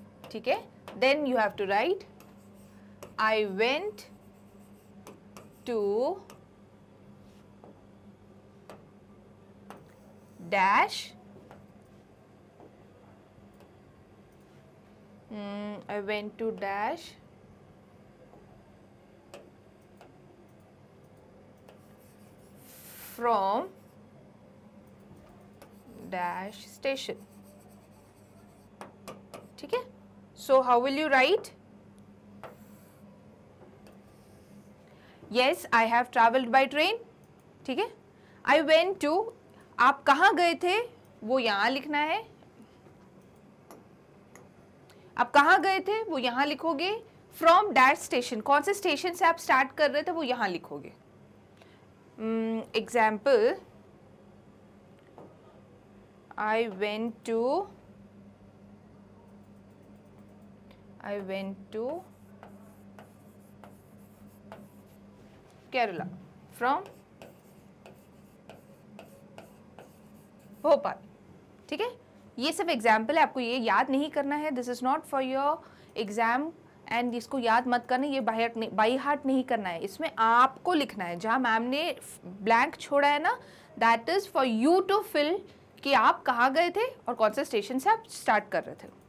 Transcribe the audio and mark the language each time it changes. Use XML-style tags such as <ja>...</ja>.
<hi>ठीक है,</hi> <en>then you have to write I went to dash I went to dash from dash station.</en> <hi>ठीक है,</hi> <en>So how will you write, yes I have travelled by train.</en> <hi>ठीक है,</hi> <en>I went to,</en> <hi>आप कहाँ गए थे वो यहां लिखना है. आप कहाँ गए थे वो यहां लिखोगे.</hi> <en>from dash station,</en> <hi>कौन से स्टेशन से आप स्टार्ट कर रहे थे वो यहां लिखोगे.</hi> <en>Example, I went to I went to Kerala from Bhopal.</en> <hi>ठीक है, ये सब एग्जाम्पल है, आपको ये याद नहीं करना है.</hi> <en>this is not for your exam</en> <hi>and इसको याद मत करना, ये बाई हार्ट नहीं करना है. इसमें आपको लिखना है, जहाँ मैम ने ब्लैंक छोड़ा है ना,</hi> <en>that is for you to fill</en> <hi>कि आप कहाँ गए थे और कौन से स्टेशन से आप स्टार्ट कर रहे थे.</hi>